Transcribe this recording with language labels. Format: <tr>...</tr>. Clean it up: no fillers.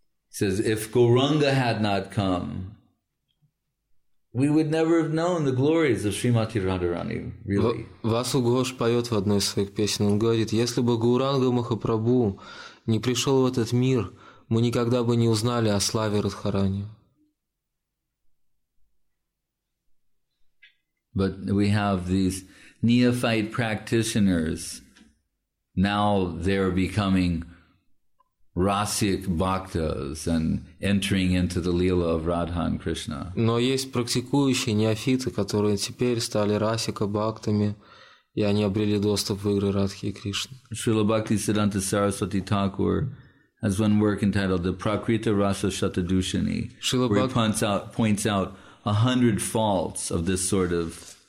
<en>Says, if Гауранга had not come, we would never have known the glories of Srimati Radharani, really.</en> <ru>Васу Гош поет в одной из своих песен. Он говорит, если бы Гауранга Махапрабху не пришел в этот мир, мы никогда бы не узнали о славе Радхарани.</ru> <en>But we have these neophyte practitioners. Now they're becoming rasic bhaktas and entering into the lila of Radha and Krishna.</en> <ru>Но есть практикующие неофиты, которые теперь стали расика бхактами, и они обрели доступ в игры Радхи и Кришны.</ru> <en>Srila Bhakti Siddhanta Saraswati Thakur has one work entitled The Prakrita Rasa Shatadushani, where he points out 100 faults of this sort of</en>